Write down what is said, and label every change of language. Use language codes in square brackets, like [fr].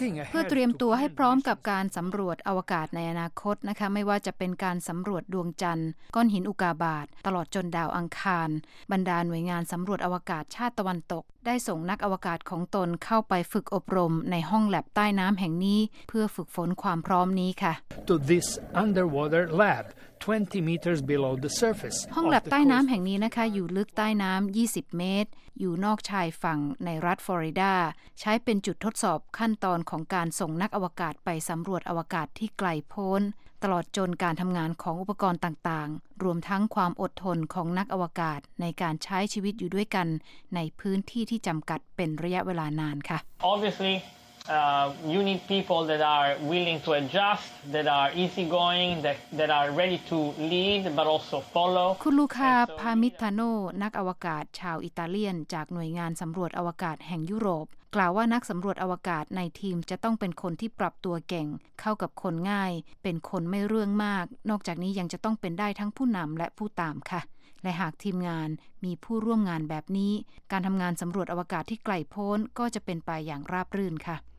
[th] เพื่อเตรียมตัวให้พร้อมกับการสำรวจอวกาศในอนาคตนะคะไม่ว่าจะเป็นการสำรวจดวงจันทร์ก้อนหินอุกาบาตตลอดจนดาวอังคารบรรดาหน่วยงานสำรวจอวกาศชาติตะวันตกได้ส่งนักอวกาศของตนเข้าไปฝึกอบรมในห้องแลบใต้น้ำแห่งนี้เพื่อฝึกฝนความพร้อมนี้ค่ะ [en] To this underwater lab 20 meters below the surface [th] ห้องแลบใต้น้ำแห่งนี้นะคะอยู่ลึกใต้น้ำ20เมตรอยู่นอกชายฝั่งในรัฐฟลอริดาใช้เป็นจุดทดสอบขั้นตอนของการส่งนักอวกาศไปสำรวจอวกาศที่ไกลโพ้นตลอดจนการทำงานของอุปกรณ์ต่างๆรวมทั้งความอดทนของนักอวกาศในการใช้ชีวิตอยู่ด้วยกันในพื้นที่ที่จำกัดเป็นระยะเวลานานค่ะ [en] Obviously you need people that are willing to adjust that are easygoing that are ready to lead but also follow [th] คุณลูคาพามิทาโนนักอวกาศชาวอิตาเลียนจากหน่วยงานสำรวจอวกาศแห่งยุโรปกล่าวว่านักสำรวจอวกาศในทีมจะต้องเป็นคนที่ปรับตัวเก่งเข้ากับคนง่ายเป็นคนไม่เรื่องมากนอกจากนี้ยังจะต้องเป็นได้ทั้งผู้นำและผู้ตามค่ะและหากทีมงานมีผู้ร่วมงานแบบนี้การทำงานสำรวจอวกาศที่ไกลโพ้นก็จะเป็นไปอย่างราบรื่นค่ะ